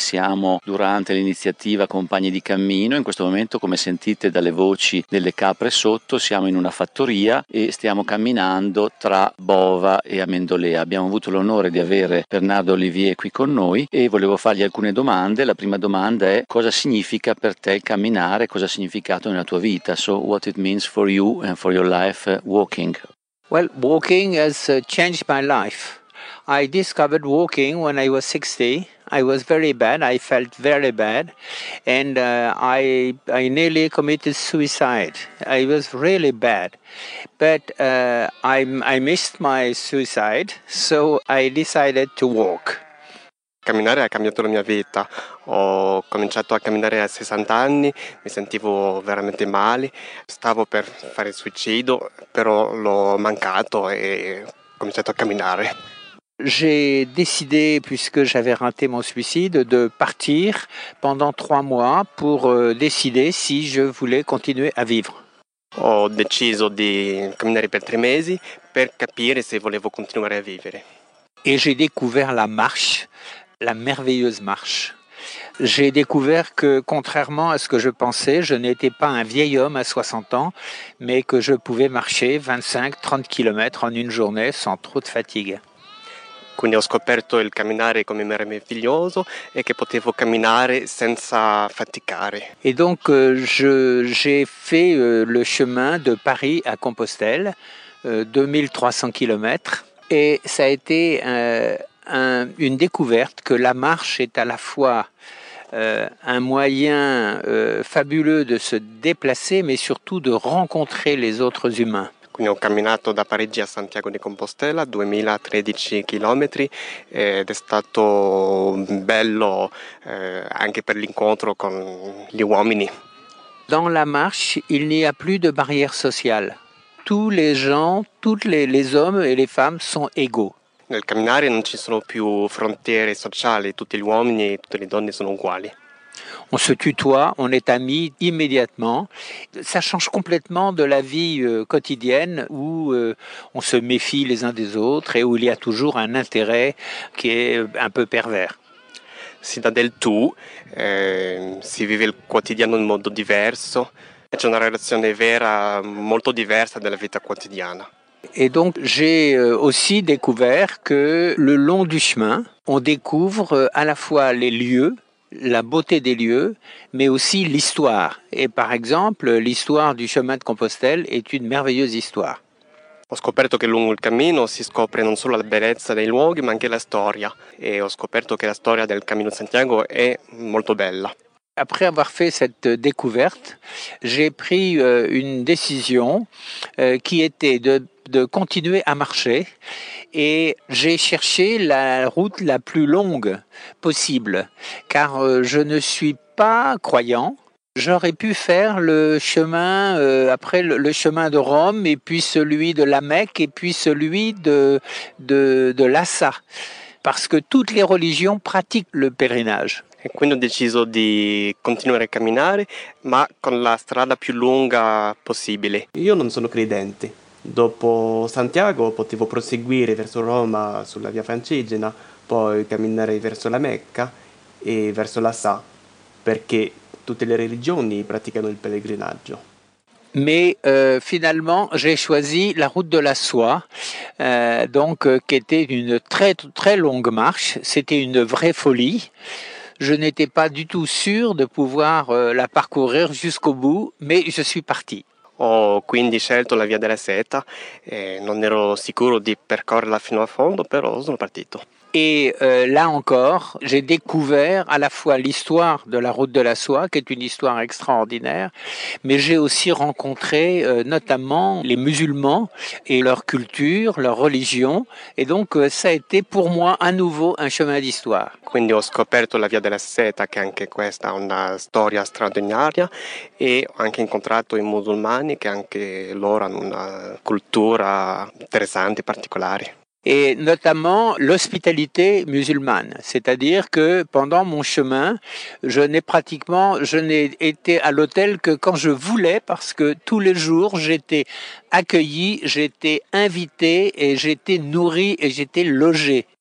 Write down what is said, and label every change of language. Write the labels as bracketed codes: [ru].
[it] Siamo durante l'iniziativa Compagni di Cammino. In questo momento, come sentite dalle voci delle capre sotto, siamo in una fattoria e stiamo camminando tra bova e amendolea. Abbiamo avuto l'onore di avere Bernardo Ollivier qui con noi e volevo fargli alcune domande. La prima domanda è: cosa significa per te camminare? Cosa ha significato nella tua vita? [en] So what it means for you and for your life walking? Well, walking has changed my life. I discovered walking when I was 60. I was very bad. I felt very bad, and I nearly committed suicide. I was really bad, but I missed my suicide, so I decided to walk. [it] Camminare ha cambiato la mia vita. Ho cominciato a camminare a 60 anni, mi sentivo veramente male, stavo per fare il suicidio, però l'ho mancato e ho cominciato a camminare. [fr] J'ai décidé, puisque j'avais raté mon suicide, de partir pendant 3 mois pour décider si je voulais continuer à vivre. [it] Ho deciso di camminare per 3 mesi per capire se volevo continuare a vivere. [fr] Et j'ai découvert la marche, la merveilleuse marche. J'ai découvert que, contrairement à ce que je pensais, je n'étais pas un vieil homme à 60 ans, mais que je pouvais marcher 25-30 km en une journée sans trop de fatigue. [it] Quindi ho scoperto il camminare come meraviglioso e che potevo camminare senza faticare. [fr] E donc j'ai fait le chemin de Paris à Compostelle, 2300 km, et ça a été une découverte que la marche est à la fois un moyen fabuleux de se déplacer, mais surtout de rencontrer les autres humains. [it] Quindi ho camminato da Parigi a Santiago de Compostela, 2013 chilometri, ed è stato bello anche per l'incontro con gli uomini. [fr] Dans la marche, il n'y a plus de barrière sociale. Tous les gens, tous les hommes et les femmes sont égaux. [it] Nel camminare non ci sono più frontiere sociali, tutti gli uomini e tutte le donne sono uguali. [fr] On se tutoie, on est amis immédiatement. Ça change complètement de la vie quotidienne où on se méfie les uns des autres et où il y a toujours un intérêt qui est un peu pervers. [it] Si dà del tu, si vive il quotidiano in modo diverso, e c'è una relazione vera molto diversa della vita quotidiana. [fr] Et donc j'ai aussi découvert que le long du chemin, on découvre à la fois les lieux, la beauté des lieux, mais aussi l'histoire. Et par exemple, l'histoire du chemin de Compostelle est une merveilleuse histoire. [it] Ho scoperto che lungo il cammino si scopre non solo la bellezza dei luoghi, ma anche la storia. E ho scoperto che la storia del Camino de Santiago è molto bella. [fr] Après avoir fait cette découverte, j'ai pris une décision qui était de continuer à marcher, et j'ai cherché la route la plus longue possible, car je ne suis pas croyant. J'aurais pu faire le chemin, après le chemin de Rome, et puis celui de la Mecque, et puis celui de Lhasa, parce que toutes les religions pratiquent le pèlerinage. [it] E quindi ho deciso di continuare a camminare, ma con la strada più lunga possibile. Io non sono credente. Dopo Santiago potevo proseguire verso Roma sulla via Francigena, poi camminare verso la Mecca e verso Lhasa, perché tutte le religioni praticano il pellegrinaggio. [fr] Mais finalement, j'ai choisi la route de la soie, donc qui était une très très longue marche. C'était une vraie folie. Je n'étais pas du tout sûr de pouvoir la parcourir jusqu'au bout, mais je suis parti. [it] Ho quindi scelto la via della seta, non ero sicuro di percorrerla fino a fondo, però sono partito. [fr] Et là encore, j'ai découvert à la fois l'histoire de la route de la soie, qui est une histoire extraordinaire, mais j'ai aussi rencontré notamment les musulmans et leur culture, leur religion. Et donc, ça a été pour moi à nouveau un chemin d'histoire. [it] Quindi ho scoperto la via della seta, che anche questa ha una storia straordinaria, e ho anche incontrato i musulmani, che anche loro hanno una cultura interessante e particolare. [fr] Et notamment l'hospitalité musulmane, c'est-à-dire que pendant mon chemin, je n'ai été à l'hôtel que quand je voulais, parce que tous les jours j'étais accueilli, j'étais invité et j'étais nourri et j'étais logé.